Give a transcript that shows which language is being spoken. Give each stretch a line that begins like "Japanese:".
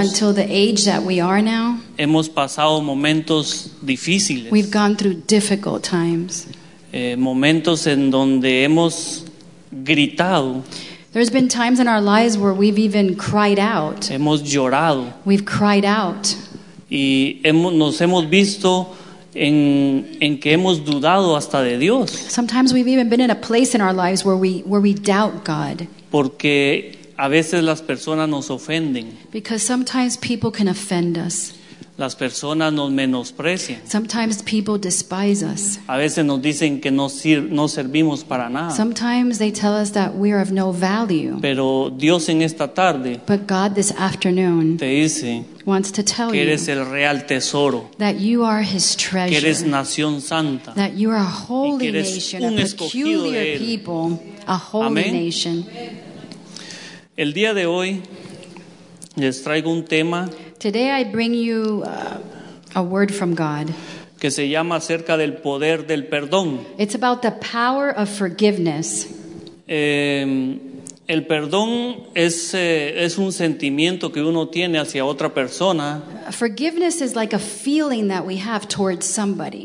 English: Until the age that we are now.
Spanish: Hemos pasado momentos difíciles.
English: We've gone through difficult times.
Spanish: Momentos en donde hemos gritado.
English: There's been times in our lives where we've even cried out.
Spanish: Hemos llorado.
English: We've cried out.
Spanish: Y nos hemos visto en que hemos dudado hasta de Dios.
English: Sometimes we've even been in a place in our lives where we doubt God.
Spanish: Porque a veces las personas nos ofenden.
English: Because sometimes people can offend us.
Spanish: Las personas nos menosprecian.
English: Sometimes people despise us.
Spanish: A veces nos dicen que no servimos para nada.
English: Sometimes they tell us that we are of no value.
Spanish: Pero Dios en esta tarde,
English: but God this afternoon,
Spanish: te dice,
English: wants to tell
Spanish: que eres
English: you
Spanish: el real tesoro,
English: that you are His treasure,
Spanish: que eres nación santa,
English: that you are a holy nation,
Spanish: a
English: peculiar people, a holy
Spanish: Amén.
English: Nation.
Spanish: El día de hoy les traigo un tema.
English: Today I bring you A word from God.
Spanish: Que se llama acerca del poder del perdón.
English: It's about the power of forgiveness.
Spanish: El perdón es un sentimiento que uno tiene hacia otra persona.
English: Forgiveness is like a feeling that we have towards somebody.